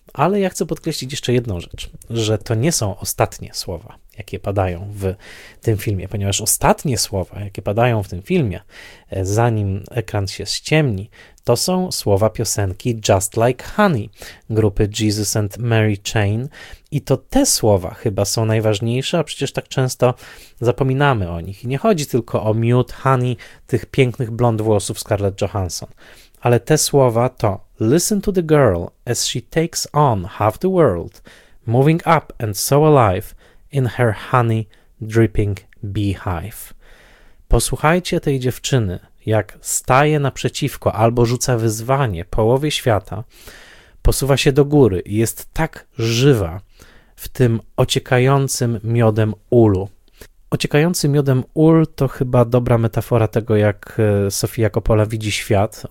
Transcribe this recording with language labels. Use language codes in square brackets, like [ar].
[pl] Ale ja chcę podkreślić jeszcze jedną rzecz, że to nie są ostatnie słowa, jakie padają w tym filmie, ponieważ ostatnie słowa, jakie padają w tym filmie, zanim ekran się ściemni, to są słowa piosenki Just Like Honey grupy Jesus and Mary Chain. I to te słowa chyba są najważniejsze, a przecież tak często zapominamy o nich. I nie chodzi tylko o miód, honey, tych pięknych blond włosów Scarlett Johansson. [en] Ale te słowa to: Listen to the girl as she takes on half the world, moving up and so alive in her honey dripping beehive. [pl] Posłuchajcie tej dziewczyny, jak staje naprzeciwko albo rzuca wyzwanie połowie świata, posuwa się do góry i jest tak żywa w tym ociekającym miodem ulu. Ociekający miodem ul to chyba dobra metafora tego, jak Sofia Coppola widzi świat.